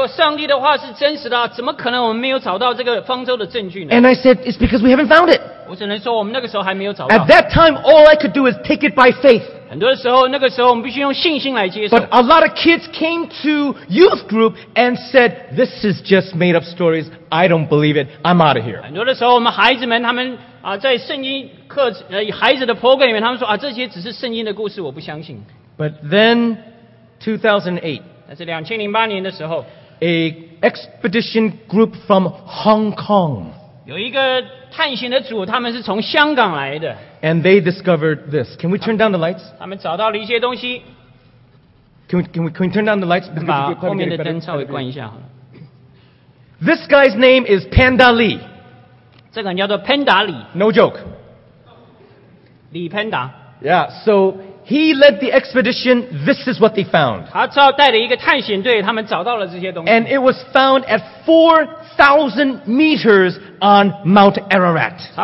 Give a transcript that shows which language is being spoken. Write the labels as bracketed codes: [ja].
[en] And I said, it's because we haven't found it. At that time, all I could do is take it by faith. [zh] 很多时候, [en] but a lot of kids came to youth group and said, this is just made up stories. I don't believe it. I'm out of here. [zh] 很多的时候我们孩子们他们 在圣经课,孩子的program里面,他们说,这些只是圣经的故事,我不相信。 [en] But then, 2008, [zh] 2008年的时候, [en] a expedition group from Hong Kong, [zh] 有一个探险的组,他们是从香港来的。 [en] And they discovered this. Can we turn down the lights? [zh] 他们找到了一些东西。 [en] Can we turn down the lights? [zh] 把后面的灯稍微关一下。 [en] This guy's name is Panda Lee. [zh] 这个人叫做Panda Lee. [en] No joke. Lee Panda. Yeah, so he led the expedition. This is what they found. [zh] 他带了一个探险队,他们找到了这些东西。 [en] And it was found at 4,000 meters on Mount Ararat.